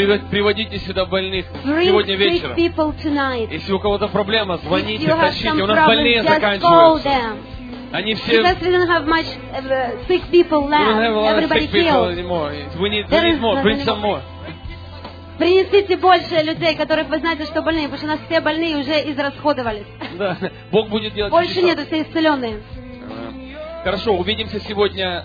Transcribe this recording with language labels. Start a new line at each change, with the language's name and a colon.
Russian: Приводите сюда больных сегодня вечером. Если у кого-то проблема, звоните, тащите. У нас больные заканчиваются. Они все...
English: Because we don't have much sick people left. We don't have a lot everybody of sick people anymore. We need, more. Bring some more.
Russian: Принесите больше людей, которые вы знаете, что больные, потому что у нас все больные уже израсходовались. Да. Бог будет делать больше нету, все исцеленные. Хорошо, увидимся сегодня